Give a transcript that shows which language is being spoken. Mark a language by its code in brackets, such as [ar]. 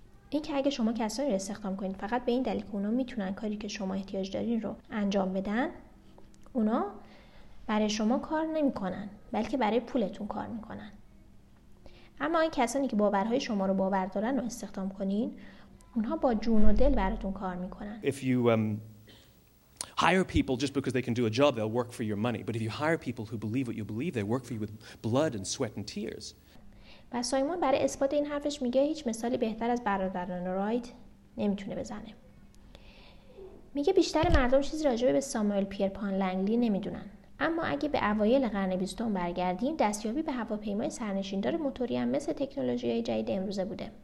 [fa] اینکه اگه شما کسایی رو استخدام کنین فقط به این دلیل که اونا میتونن کاری که شما احتیاج دارین رو انجام بدن، اونا برای شما کار نمی‌کنن، بلکه برای پولتون کار می‌کنن. اما این کسانی که باورهای شما رو باور دارن رو استخدام کنین، اونها با جون و دل براتون کار میکنن. [en] If you hire people just because they can do a job, they'll work for your money. But if you hire people who believe what you believe, they work for you with blood and sweat and tears. [fa] و سایمون برای اثبات این حرفش میگه هیچ مثالی بهتر از برادران رایت نمیتونه بزنه. میگه بیشتر مردم چیزی راجع به ساموئل پیرپان لنگلی نمیدونن. اما اگه به اوایل قرن 20 برگردیم، دستیابی به هواپیمای سرنشیندار موتوری هم مثل تکنولوژی‌های جدید امروزه بوده.